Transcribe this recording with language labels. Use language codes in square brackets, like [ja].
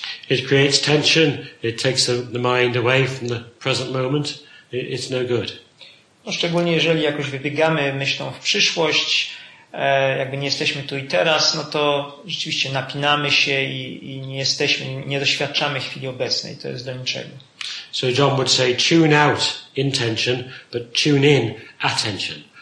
[en] It creates tension, it takes the mind away from the present moment, it's no good. [pl] No, szczególnie jeżeli jakoś wybiegamy myślą w przyszłość, jakby nie jesteśmy tu i teraz, no to rzeczywiście napinamy się i nie doświadczamy chwili obecnej, to jest do niczego. [en] So John would say, tune out intention, but tune in attention.